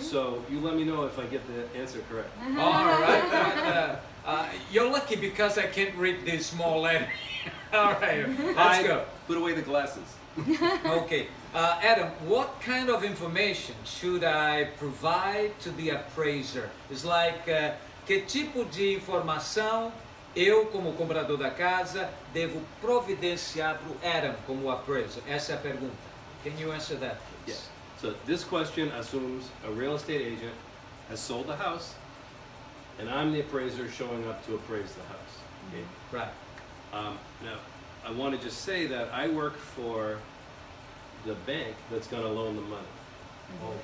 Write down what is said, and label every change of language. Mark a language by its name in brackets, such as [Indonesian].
[English] So you let me know if I get the answer correct. All right. You're lucky, because I can't read this small letter. All right. Let's go. Put away the glasses. Okay. Adam, what kind of information should I provide to the appraiser? It's like... [Portuguese] que tipo de informação eu, como comprador da casa, devo providenciar para o Adam, como appraiser? Essa é a pergunta. [English] Can you answer that, please? Yes. So, this question assumes a real estate agent has sold the house, and I'm the appraiser showing up to appraise the house. Okay? Mm-hmm. Right. Now, I want to just say that I work for the bank that's going to loan the money.